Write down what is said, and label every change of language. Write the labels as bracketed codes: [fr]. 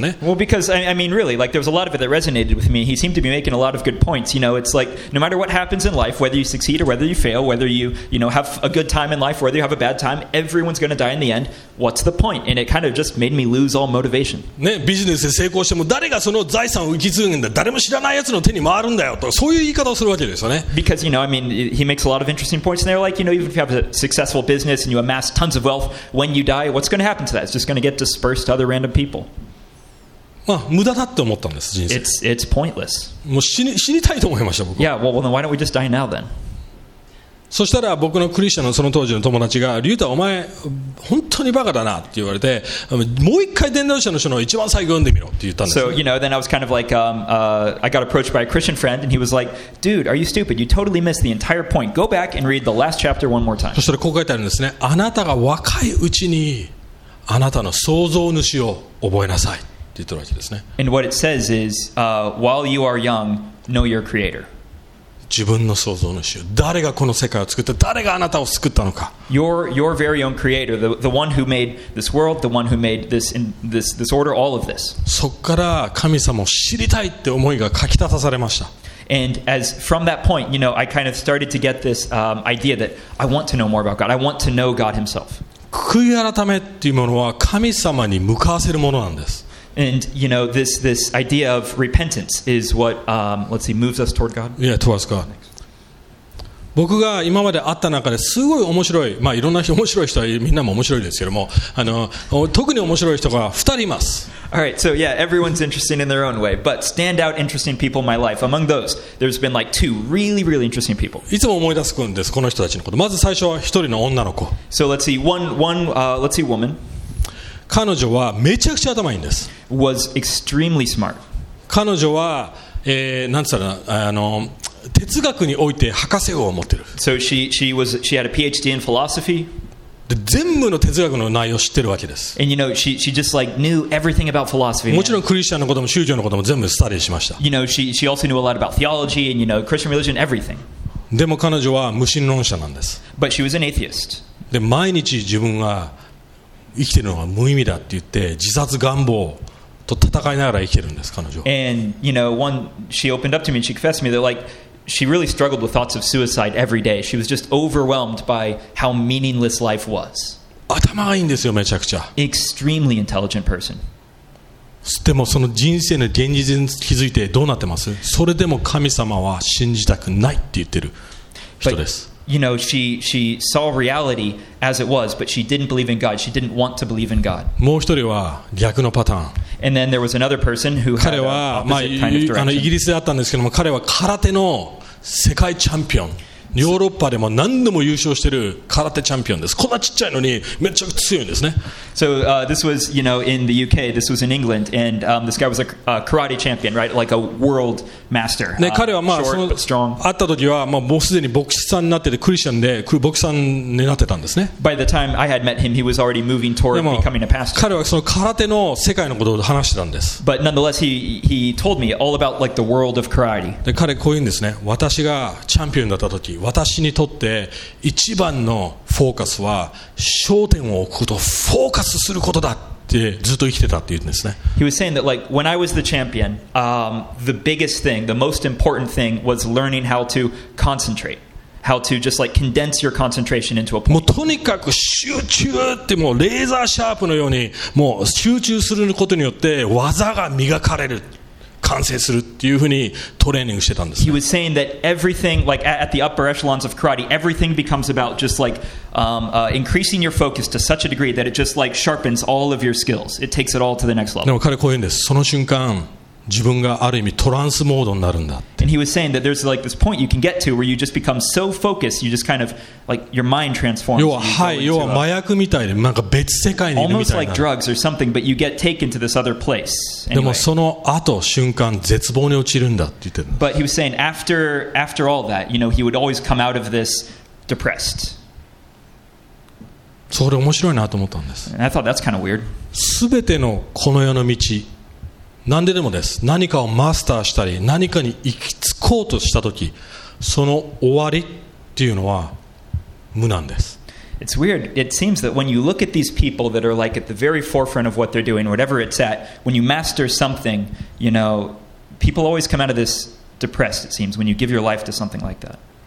[en] Well, because I mean, really, like there was a lot of it that resonated with me. He seemed to be making a lot of good points. You know, it's like no matter what happens in life, whether you succeed or whether you fail, whether you, you know, have a good time in life, whether you have a bad time, everyone's going to die in the end. What's the point? And it kind of just made me lose all motivation. [ja] ね、ビジネスで成功しても誰がその財産を受け継ぐんだ、誰も知らない奴の手に回るんだよと、そういう言い方をするわけですよね。 [en] Because you know, I mean, he makes a lot of interesting points, and they're like, you know, even if you have a successful business and you amass tons of wealth, when you die, what's going to happen to that? It's just going to get dispersed to other random people. [ja] まあ、無駄だって思ったんです、人生。 [en] It's pointless. [ja] もう死にたいと思いました、僕は。 [en] Yeah, well, then why don't we just die now, then? [ja] そしたら僕のクリスチャンのその当時の友達が、リュウタ、お前、本当にバカだなって言われて、もう一回伝道者の書の一番最後読んでみろって言ったんです、ね。 [en] So, you know, then I was kind of like, I got approached by a Christian friend, and he was like, dude, are you stupid? You totally missed the entire point. Go back and read the last chapter one more time. [ja] そしたらこう書いてあるんですね。あなたが若いうちに、あなたの創造主を覚えなさい。 [en] And what it says is, while you are young, know your creator. [ja] 自分の創造主、誰がこの世界を作った、誰があなたを救ったのか。 [en] Your very own creator, the one who made this world, the one who made this order, all of this. [ja] そこから神様を知りたいって思いがかき立たされました。 [en] And as from that point, you know, I kind of started to get this idea that I want to know more about God. I want to know God Himself. [ja] 悔い改めっていうものは神様に向かわせるものなんです。 [en] And you know this idea of repentance is what let's see moves us toward God. Yeah, towards God. [ja] 僕が今まで会った中ですごい面白い、まあいろんな人、面白い人はみんなも面白いですけども、特に面白い人が二人います。 [en] All right, so yeah, everyone's interesting in their own way, but stand out interesting people in my life. Among those, there's been like two really, really interesting people. [ja] いつも思い出すんです、この人たちのこと。まず最初は一人の女の子。 [en] So let's see one woman. [ja] 彼女はめちゃくちゃ頭いいんです。 [en] Was extremely smart. [ja] 彼女は、なんつったら、哲学において博士号を持ってる。 [en] So she had a PhD in philosophy. [ja] で、全部の哲学の内容を知ってるわけです。 [en] And you know, she just like knew everything about philosophy. [ja] もちろんクリスチャンのことも宗教のことも全部スタディしました。 [en] You know, she also knew a lot about theology and you know, Christian religion, everything. [ja] でも彼女は無神論者なんです。 [en] But she was an atheist. [ja] で、毎日自分が生きてるのは無意味だって言って自殺願望と戦いながら生きるんです彼女は。 [en] And you know, one she opened up to me and she confessed to me that like she really struggled with thoughts of suicide every day. She was just overwhelmed by how meaningless life was. [ja] 頭がいいんですよめちゃくちゃ。 [en] Extremely intelligent person. [ja] でもその人生の現実に気づいてどうなってます？それでも神様は信じたくないって言ってる人です。 [en] But, you know, she saw reality as it was, but she didn't believe in God. She didn't want to believe in God. [ja] もう一人は逆のパターン。 [en] And then there was another person who had a opposite kind of direction. [ja] 彼はイギリスであったんですけども、彼は空手の世界チャンピオン。ヨーロッパでも何度も優勝してる空手チャンピオンです。こんなちっちゃいのにめっちゃ強いんですね。 [en] So, this was, you know, in the UK, this was in England, and, this guy was a karate champion, right? Like a world master. [ja] ね、彼はまあ、その、会った時は、まあ、もうすでにボクシーさんになってて、クリスチャンで、ボクシーさんになってたんですね。 [en] By the time I had met him, he was already moving toward becoming a pastor. [ja] 彼はその空手の世界のことを話してたんです。 [en] But nonetheless, he told me all about, like, the world of karate. [ja] で、彼こういうんですね。私がチャンピオンだった時、私にとって一番のフォーカスは焦点を置くことフォーカスすることだってずっと生きてたって言うんですね。 [en] He was saying that like when I was the champion, the biggest thing, the most important thing was learning how to concentrate, how to just like condense your concentration into a point. [ja] もうとにかく集中ってもうレーザーシャープのようにもう集中することによって技が磨かれる。完成するっていうふうにトレーニングしてたんです、ね。 [en] He was saying that everything, like at the upper echelons of karate, everything becomes about just like increasing your focus to such a degree that it just like sharpens all of your skills. It takes it all to the next level. [ja] でも彼こう言うんです。その瞬間、自分がある意味トランスモードになるんだって。 [en] And he was saying that there's like this point you can get to where you just become so focused, you just kind of like your mind transforms. [ja] 要は、はい、要は麻薬みたいで、なんか別世界にいるみたいな。 [en] Almost like drugs or something, but you get taken to this other place. [ja] でもその後瞬間絶望に落ちるんだって言ってる。 [en] But he was saying after all that, you know, he would always come out of this depressed. [ja] それ面白いなと思ったんです。 [en] And I thought that's kind of weird. [ja] すべてのこの世の道。何ででもです。何かをマスターしたり、何かに行き着こうとしたとき、その終わりっていうのは無なんです。 [en] It's weird. It seems that when you look at these people that are like at the very forefront of what they're doing, whatever it's at, when you master something, you know, people always come out of this depressed, it seems, when you give your life to something like that.